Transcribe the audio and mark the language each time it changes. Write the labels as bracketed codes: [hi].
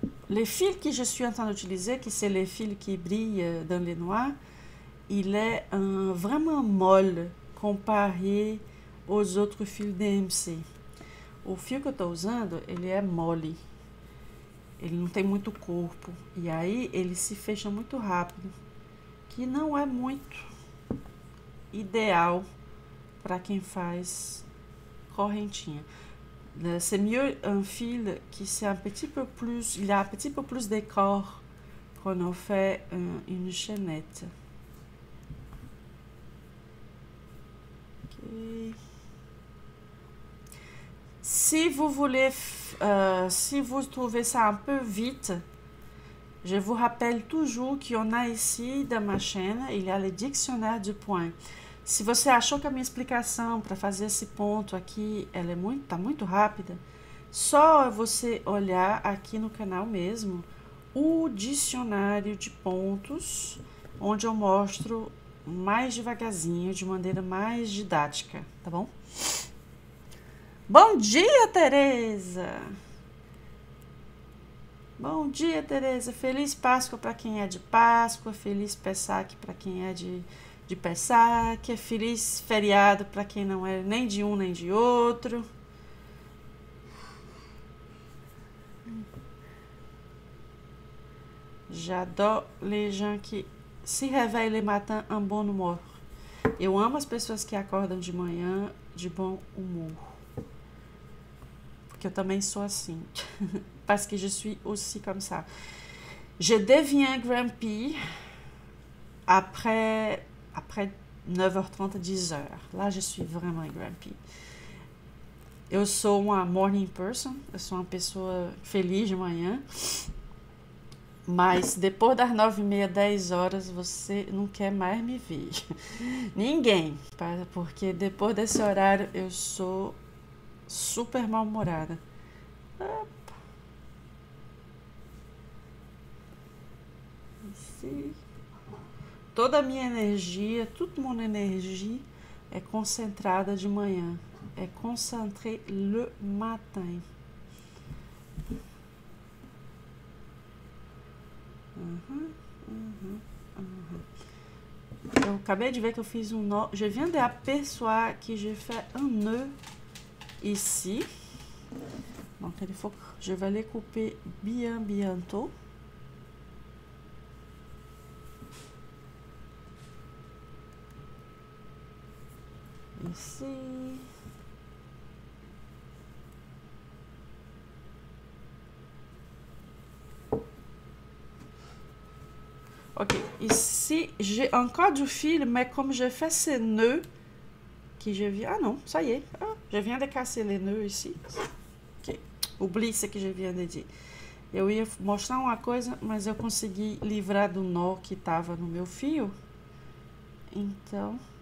[fr] Les fils que je suis en train d'utiliser, que c'est les fils qui brillent dans le noir, il est vraiment molle comparé aux autres fils DMC. [pt] O fio que eu estou usando, ele é mole. Ele não tem muito corpo. E aí, ele se fecha muito rápido. Que não é muito ideal para quem faz correntinha. [fr] C'est mieux un fil qui c'est un petit peu plus. Il y a un petit peu plus de corps quand on fait une chaînette. Ok. Si vous voulez, si vous trouvez ça un peu vite, je vous rappelle toujours qu'il y en a ici dans ma chaîne, il y a le dictionnaire du point. [pt] Se você achou que a minha explicação para fazer esse ponto aqui, ela tá muito rápida, só você olhar aqui no canal mesmo o dicionário de pontos, onde eu mostro mais devagarzinho, de maneira mais didática, tá bom? Bom dia, Teresa. Bom dia, Teresa. Feliz Páscoa para quem é de Páscoa. Feliz Pesach para quem é de Pesach. Feliz feriado para quem não é nem de um nem de outro. [fr] J'adore les gens qui se réveillent le matin en bon humeur. [pt] Eu amo as pessoas que acordam de manhã de bom humor. Que eu também sou assim. [fr] Parce que je suis aussi comme ça. Je deviens grumpy après 9h30, 10h. Là, je suis vraiment grumpy. [pt] Eu sou uma [en] morning person. [pt] Eu sou uma pessoa feliz de manhã. Mas depois das 9h30, 10h, você não quer mais me ver. Ninguém. Porque depois desse horário eu sou super mal-humorada. Toda a minha energia, [fr] toute mon énergie [pt] é concentrada de manhã. [fr] É concentré le matin. [pt] Eu acabei de ver que eu fiz um nó. [fr] Je viens de apercevoir que j'ai fait un nœud ici. Donc, il faut que je vais les couper bien bientôt. Ici. Ok, ici j'ai encore du fil, mais comme j'ai fait ces nœuds que je viens. Ah non, ça y est, ah, je viens de casser les nœuds ici. Oublie ce que je viens de dizer. [pt] Eu ia mostrar uma coisa, mas eu consegui livrar do nó que estava no meu fio. Então.